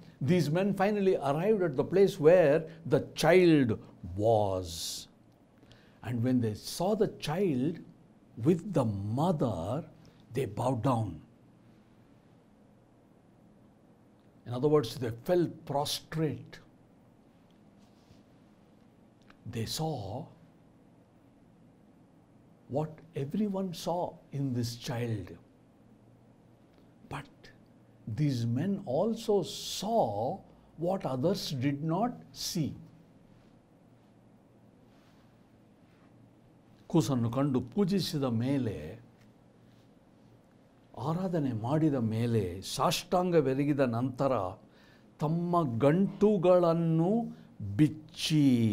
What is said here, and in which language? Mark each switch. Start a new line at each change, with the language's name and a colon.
English: These men finally arrived at the place where the child was. And when they saw the child with the mother, they bow down. In other words, they fell prostrate. They saw what everyone saw in this child. But these men also saw what others did not see.
Kannada: ಕೂಸನ್ನು ಕಂಡು ಪೂಜಿಸಿದ ಮೇಲೆ, ಆರಾಧನೆ ಮಾಡಿದ ಮೇಲೆ, ಸಾಷ್ಟಾಂಗವೆರಗಿದ ನಂತರ ತಮ್ಮ ಗಂಟುಗಳನ್ನು ಬಿಚ್ಚಿ,